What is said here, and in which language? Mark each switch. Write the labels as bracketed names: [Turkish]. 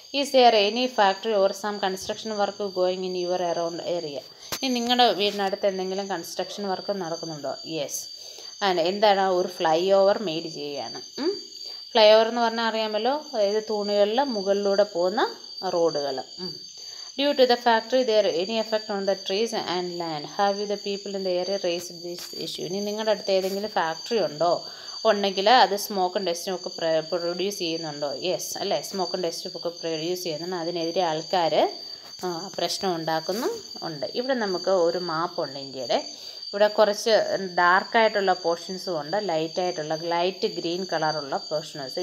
[English] Is there any factory or some construction work going in your around area? [Malayalam] ഇനി നിങ്ങളുടെ വീടിനടുത്ത് എന്തെങ്കിലും construction work നടക്കുന്നുണ്ടോ? യെസ്. അതെ. എന്താണ്? ഒരു ഫ്ലൈ ഓവർ മെയ്ഡ് ചെയ്യുകയാണ്. ഫ്ലൈ ഓവർ എന്ന് പറഞ്ഞാൽ അറിയാമല്ലോ, അതായത് തൂണുകളിൽ മുകളിലൂടെ പോകുന്ന റോഡുകൾ. [English] Due to the factory, there any effect on the trees and land? Have you the people in the area raised this issue? [Malayalam] ഇനി നിങ്ങളുടെ അടുത്ത് ഏതെങ്കിലും ഫാക്ടറി ഉണ്ടോ? ഉണ്ടെങ്കിൽ അത് സ്മോക്കും ഡസ്റ്റും ഒക്കെ പ്രൊഡ്യൂസ് ചെയ്യുന്നുണ്ടോ? യെസ്. അല്ലേ, സ്മോക്കും ഡസ്റ്റും ഒക്കെ പ്രൊഡ്യൂസ് ചെയ്യുന്നുണ്ട്. അതിനെതിരെ ആൾക്കാർ പ്രശ്നം ഉണ്ടാക്കുന്നു ഉണ്ട്. ഇവിടെ നമുക്ക് ഒരു മാപ്പുണ്ട് ഇന്ത്യയുടെ. ഇവിടെ കുറച്ച് ഡാർക്കായിട്ടുള്ള പോർഷൻസും ഉണ്ട്, ലൈറ്റായിട്ടുള്ള ലൈറ്റ് ഗ്രീൻ കളറുള്ള പോർഷൻസ്.